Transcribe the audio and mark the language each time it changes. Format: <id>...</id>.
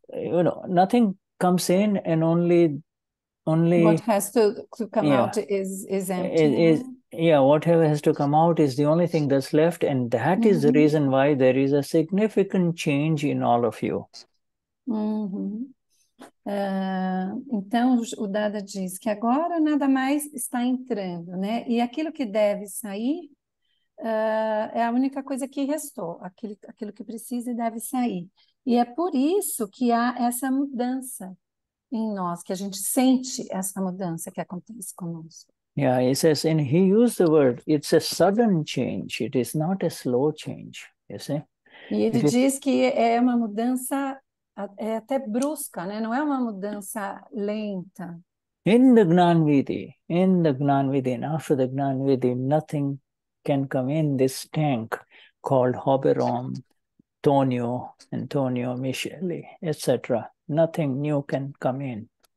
<en>therefore, nothing comes in, and What has to come out is empty, right? whatever has to come out is the only thing that's left, and that is the reason why there is a significant change in all of you.</en> <pt>Então, o Dada diz que agora nada mais está entrando, né? E aquilo que deve sair. É a única coisa que restou, aquilo que precisa e deve sair. E é por isso que há essa mudança em nós, que a gente sente essa mudança que acontece conosco.</pt> <en>Yeah, he says, and he used the word, it's a sudden change, it is not a slow change, you see?</en> <pt>E ele</pt> <en>It is.</en> <pt>diz que é uma mudança até brusca, né? Não é uma mudança lenta.</pt> <en>In the Gnanvidhi, and after the Gnanvidhi, nothing can come in this tank called Hoberom, Tonio, Antonio, Michele, etc. Nothing new can come in.</en>